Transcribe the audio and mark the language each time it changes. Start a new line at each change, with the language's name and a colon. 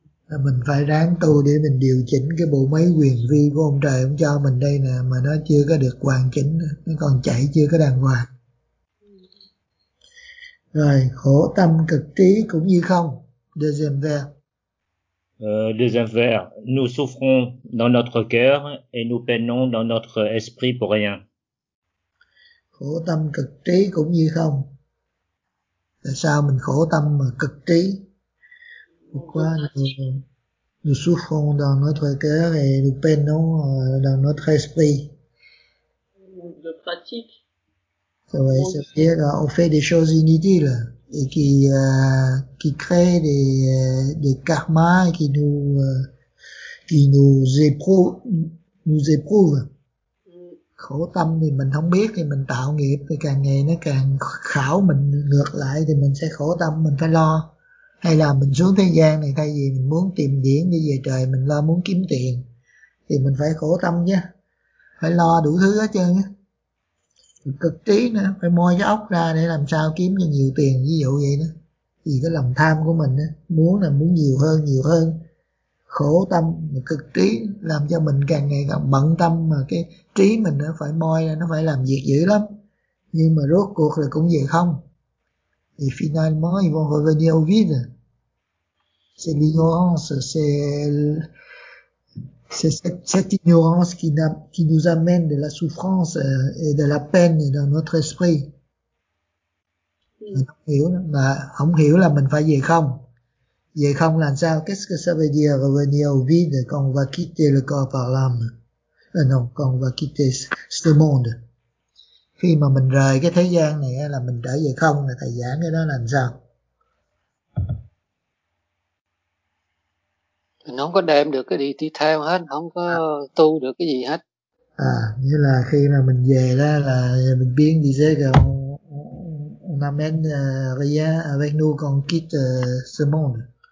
Vietnamese: Mình phải ráng tu để mình điều chỉnh cái bộ máy quyền vi của ông trời ông cho mình đây nè, mà nó chưa có được hoàn chỉnh, nó còn chạy chưa có đàng hoàng. Rồi khổ tâm cực trí cũng như không.
French: Deuxième vers. Deuxième vers, nous souffrons dans notre cœur et nous peinons dans notre esprit pour rien.
Vietnamese: Khổ tâm cực trí cũng như không. Tại sao mình khổ tâm mà cực trí?
French: Pourquoi nous souffrons dans notre cœur et nous peinons dans notre esprit? De pratique. Ouais, ça veut dire qu'on fait des choses inutiles. Et qui crée des karmas et qui nous éprouve.
Vietnamese: Khổ tâm thì mình không biết thì mình tạo nghiệp, thì càng ngày nó càng khảo mình ngược lại thì mình sẽ khổ tâm, mình phải lo. Hay là mình xuống thế gian này thay vì mình muốn tìm điển đi về trời, mình lo muốn kiếm tiền thì mình phải khổ tâm chứ, phải lo đủ thứ hết trơn á. cực trí nữa, phải moi cái óc ra để làm sao kiếm cho nhiều tiền, ví dụ vậy đó. Vì cái lòng tham của mình đó, muốn là muốn nhiều hơn, nhiều hơn. Khổ tâm, cực trí làm cho mình càng ngày càng bận tâm, mà cái trí mình nó phải moi ra, nó phải làm việc dữ lắm. Nhưng mà rốt cuộc là cũng vậy không.
French: Et finalement, ils vont revenir au vide. C'est l'ignorance, c'est cette ignorance qui nous amène de la souffrance et de la peine dans notre esprit. Mm.
Vietnamese: Không hiểu, mà không hiểu là mình phải về không. Về không làm sao?
French: Qu'est-ce que ça veut dire revenir au vide quand on va quitter le corps par l'âme? Non, quand on va quitter ce monde.
Vietnamese: Khi mà mình rời cái thế gian này là mình trở về không, là thầy giảng cái đó làm sao? Mình không có đem được cái gì đi theo hết, không có tu được cái gì hết. À, nghĩa là khi mà mình về đó là mình biến đi dễ gần.
French: On n'amène rien avec nous quand on quitte ce monde.